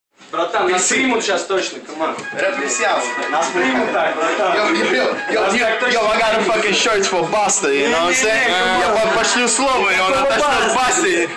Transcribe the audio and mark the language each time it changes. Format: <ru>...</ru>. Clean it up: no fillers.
<ru>Братан, нас примут сейчас точно,</ru> <en>come on.</en> <ru>Нас примут так, братан.</ru> <en>Yo, I got a fucking shirt for Buster, you know what I'm saying?</en> <ru>Я пошлю слово, и он отошлет Бастер.</ru>